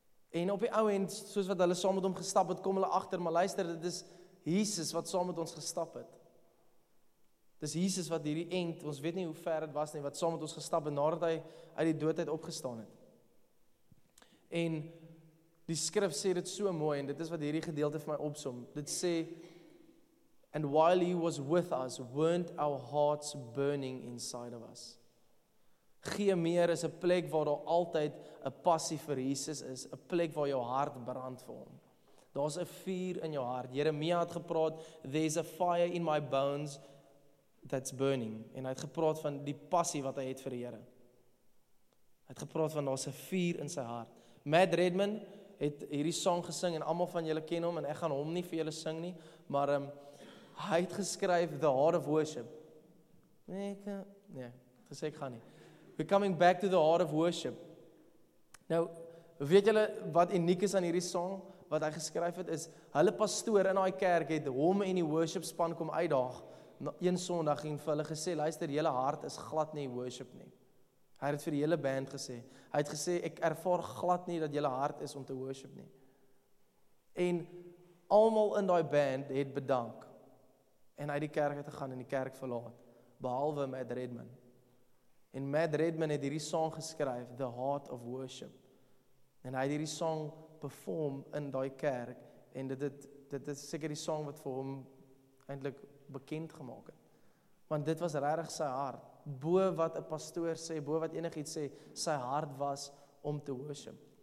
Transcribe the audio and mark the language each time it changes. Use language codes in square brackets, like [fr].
[af] En op die ou end, soos wat hulle saam met hom gestap het, kom hulle agter, maar luister, dit is Jesus wat saam met ons gestap het. Dis Jesus wat hierdie end, ons weet nie hoe ver het was nie, wat saam met ons gestap het, nadat hy uit die doodheid opgestaan het. En die skrif sê dit so mooi, en dit is wat hierdie gedeelte vir my opsom. Dit sê, [en] and while he was with us, weren't our hearts burning inside of us. [af] Gee meer is 'n plek waar daar altyd 'n passie vir Jesus is, 'n plek waar jou hart brand vir hom. Daar's 'n vuur in jou hart. Jeremia het gepraat, [en] there's a fire in my bones that's burning. [af] En hy het gepraat van die passie wat hy het vir die Here. Hy het gepraat van daar's 'n vuur in sy hart. Matt Redman het hierdie song gesing en almal van julle ken hom en ek gaan hom nie vir julle sing nie, maar hy het geskryf The Heart of Worship. Nee, ek gaan nie. [en] We're coming back to the heart of worship. [af] Nou, weet julle wat uniek is aan hierdie song wat hy geskryf het, is hulle pastoor in daai kerk het hom en die worship span kom uitdaag een Sondag en vir hulle gesê, luister, julle hart is glad nie worship nie. Hy het vir die hele band gesê, hy het gesê, ek ervaar glad nie dat julle hart is om te worship nie. En almal in daai band het bedank en uit die kerk uit gegaan en die kerk verlaat, behalwe Matt Redman. En Matt Redman het hierdie song geskryf, The Heart of Worship. En hy het hierdie song perform in daai kerk, en dit is seker die song wat vir hom eintlik bekend gemaak het. Want dit was regtig sy hart. Bo wat 'n pastoor sê, bo wat enigiets sê, sy hart was om te worship.